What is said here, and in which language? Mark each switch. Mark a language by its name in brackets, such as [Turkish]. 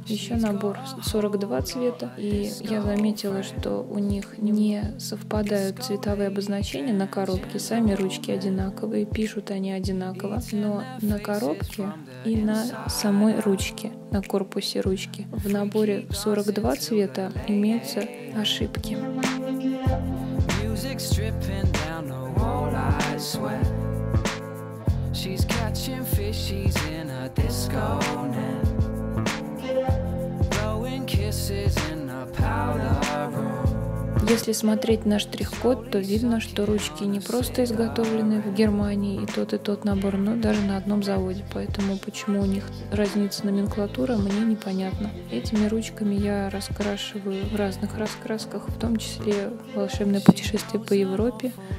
[Russian] Еще набор 42 цвета. И я заметила, что у них не совпадают цветовые обозначения на коробке. Сами ручки одинаковые, пишут они одинаково. Но на коробке и на самой ручке, на корпусе ручки, в наборе 42 цвета имеются ошибки. [English] Music's dripping down the wall, I sweat. She's catching fishies in a disco net. Blowing kisses in a powder room. [Russian] Если смотреть на штрих-код, то видно, что ручки не просто изготовлены в Германии и тот набор, но даже на одном заводе. Поэтому почему у них разница номенклатура, мне непонятно. Этими ручками я раскрашиваю в разных раскрасках, в том числе «Волшебное путешествие по Европе».